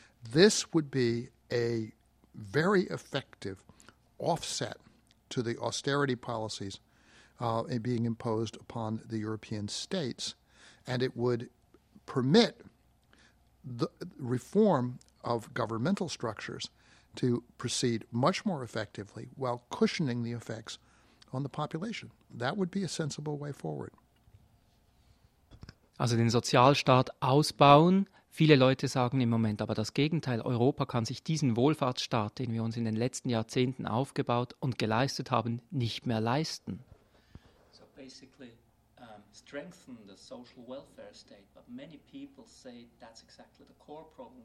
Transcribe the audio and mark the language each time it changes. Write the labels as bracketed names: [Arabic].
[English] This would be a very effective offset to the austerity policies being imposed upon the European states, and it would permit the reform of governmental structures to proceed much more effectively while cushioning the effects on the population. That would be a sensible way forward. [German] Also den Sozialstaat ausbauen. Viele Leute sagen im Moment aber das Gegenteil. Europa kann sich diesen Wohlfahrtsstaat, den wir uns in den letzten Jahrzehnten aufgebaut und geleistet haben, nicht mehr leisten. [English] So basically strengthen the social welfare state, but many people say that's exactly the core problem.